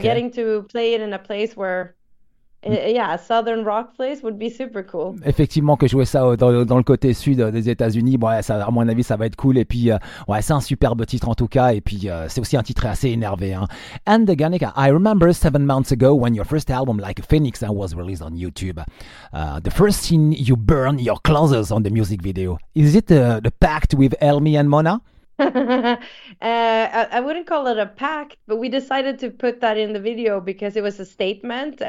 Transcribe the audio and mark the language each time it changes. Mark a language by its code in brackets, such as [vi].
[en] Getting to play it in a place where... Yeah, Southern Rock Place would be super cool. [fr] Effectivement, que jouer ça dans le côté sud des États-Unis, bon, ouais, ça, à mon avis, ça va être cool. Et puis, ouais, c'est un superbe titre en tout cas. Et puis, c'est aussi un titre assez énervé. Hein. [en] And Guernica, I remember 7 months ago when your first album, Like a Phoenix, was released on YouTube. The first scene you burn your clothes on the music video. Is it the pact with Elmi and Mona? I wouldn't call it a pact, but we decided to put that in the video because it was a statement.